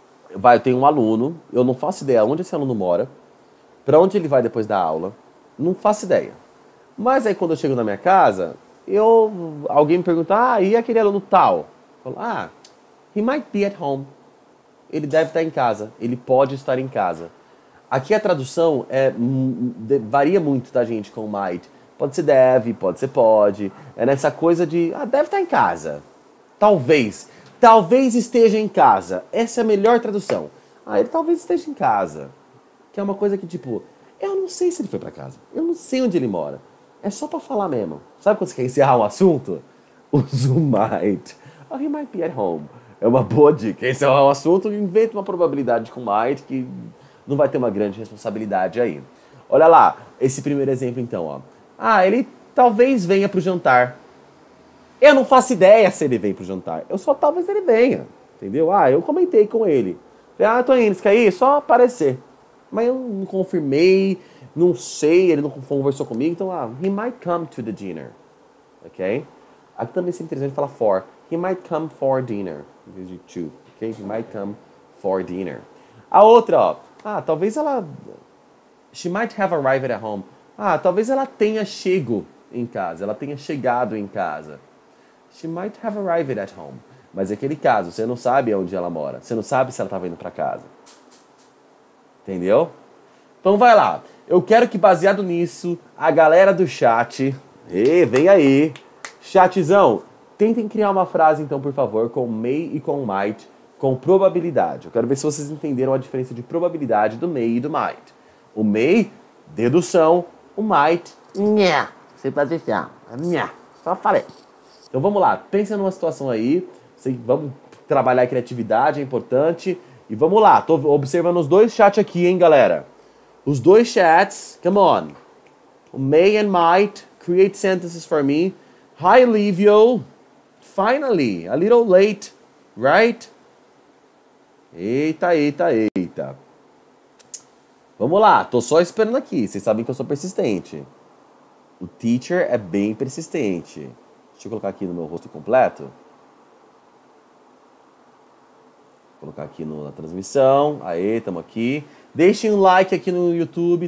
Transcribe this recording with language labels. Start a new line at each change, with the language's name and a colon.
Portuguese: Eu tenho um aluno, eu não faço ideia onde esse aluno mora, para onde ele vai depois da aula, não faço ideia. Mas aí quando eu chego na minha casa, alguém me pergunta, ah, e aquele aluno tal? Eu falo, ah,
English: he might be at home.
Portuguese: Ele deve estar em casa, ele pode estar em casa. Aqui a tradução varia muito da gente com might. Pode ser deve, pode ser pode. É nessa coisa de, ah, deve estar em casa. Talvez esteja em casa. Essa é a melhor tradução. Ah, ele talvez esteja em casa. Que é uma coisa que tipo, eu não sei se ele foi pra casa. Eu não sei onde ele mora. É só pra falar mesmo. Sabe quando você quer encerrar um assunto? Use o might.
English: Oh, he might be at home.
Portuguese: É uma boa dica. Encerrar um assunto, inventa uma probabilidade com might que não vai ter uma grande responsabilidade aí. Olha lá, esse primeiro exemplo então, ó. Ah, ele talvez venha pro jantar. Eu não faço ideia se ele vem pro jantar. Eu só talvez ele venha, entendeu? Ah, eu comentei com ele. Ah, tô indo, você quer ir? Só aparecer. Mas eu não confirmei, não sei, ele não conversou comigo. Então, ah,
English: he might come to the dinner. Ok?
Portuguese: Aqui também seria interessante falar for.
English: He might come for dinner.
Portuguese: Em vez de to.
English: Ok? He might come for dinner.
Portuguese: A outra, ó. Ah, talvez ela...
English: She might have arrived at home.
Portuguese: Ah, talvez ela tenha chego em casa. Ela tenha chegado em casa.
English: She might have arrived at home.
Portuguese: Mas é aquele caso, você não sabe onde ela mora. Você não sabe se ela estava indo para casa. Entendeu? Então vai lá. Eu quero que baseado nisso, a galera do chat... Ei, vem aí. Chatzão, tentem criar uma frase então, por favor, com may e com might, com probabilidade. Eu quero ver se vocês entenderam a diferença de probabilidade do may e do might. O may, dedução. O might, nha. Sem posição. Nha. Só falei. Então vamos lá, pensa numa situação aí, vamos trabalhar a criatividade, é importante. E vamos lá, tô observando os dois chats aqui, hein, galera. Os dois chats,
English: come on. May and might, create sentences for me. Hi, Livio. Finally, a little late, right?
Portuguese: Eita, eita, eita. Vamos lá, tô só esperando aqui, vocês sabem que eu sou persistente. O teacher é bem persistente. Deixa eu colocar aqui no meu rosto completo. Vou colocar aqui na transmissão. Aê, tamo aqui. Deixem um like aqui no YouTube.